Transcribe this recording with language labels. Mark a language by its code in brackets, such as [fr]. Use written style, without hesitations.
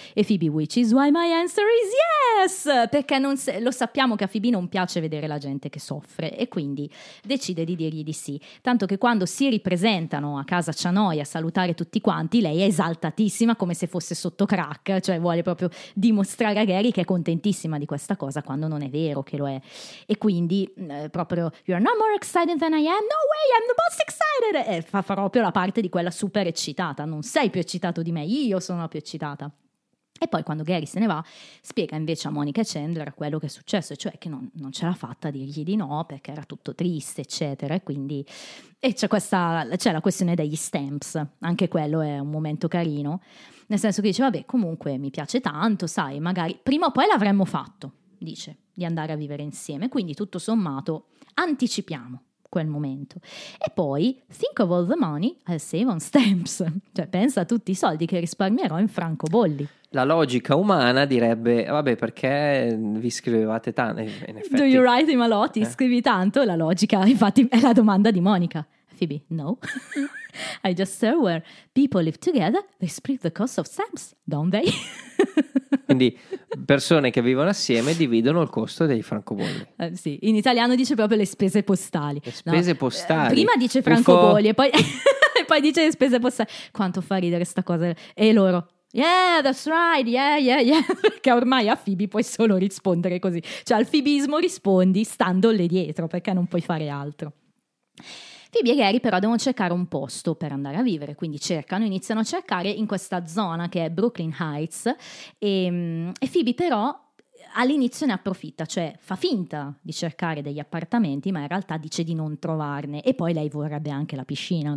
[en] E Phoebe, which is why my answer is yes! [it] Perché lo sappiamo che a Phoebe non piace vedere la gente che soffre e quindi decide di dirgli di sì. Tanto che quando si ripresentano a casa Chanoi a salutare tutti quanti, lei è esaltatissima come se fosse sotto crack, cioè vuole proprio dimostrare a Gary che è contentissima di questa cosa quando non è vero che lo è. E quindi proprio, [en] you are not more excited than I am, no way, I'm the most excited! [it] E fa proprio la parte di quella super eccitata, non sei più eccitato di me, io sono la più eccitata. E poi quando Gary se ne va, spiega invece a Monica e Chandler quello che è successo, cioè che non ce l'ha fatta a dirgli di no perché era tutto triste, eccetera. E quindi e c'è la questione degli stamps, anche quello è un momento carino, nel senso che dice, vabbè, comunque mi piace tanto, sai, magari prima o poi l'avremmo fatto, dice, di andare a vivere insieme, quindi tutto sommato anticipiamo quel momento. E poi [en] think of all the money I'll save on stamps, [it] cioè pensa a tutti i soldi che risparmierò in francobolli. La logica umana direbbe, vabbè, perché vi scrivevate tanto, in effetti. [en] Do you write him a lot? [it] Scrivi tanto? La logica, infatti, è la domanda di Monica. Phoebe, no. [en] I just saw where people live together, they split the cost of stamps, don't they? [it] Quindi persone che vivono assieme dividono il costo dei francobolli. Sì, in italiano dice proprio le spese postali. Le spese postali. Prima dice francobolli e poi, e poi dice le spese postali. Quanto fa ridere questa cosa. E loro, [en] yeah, that's right, yeah, yeah, yeah. [it] Perché ormai a Phoebe puoi solo rispondere così. Cioè al fibismo rispondi standole dietro perché non puoi fare altro. Phoebe e Gary però devono cercare un posto per andare a vivere, quindi cercano, iniziano a cercare in questa zona che è Brooklyn Heights e Phoebe però all'inizio ne approfitta, cioè fa finta di cercare degli appartamenti ma in realtà dice di non trovarne e poi lei vorrebbe anche la piscina.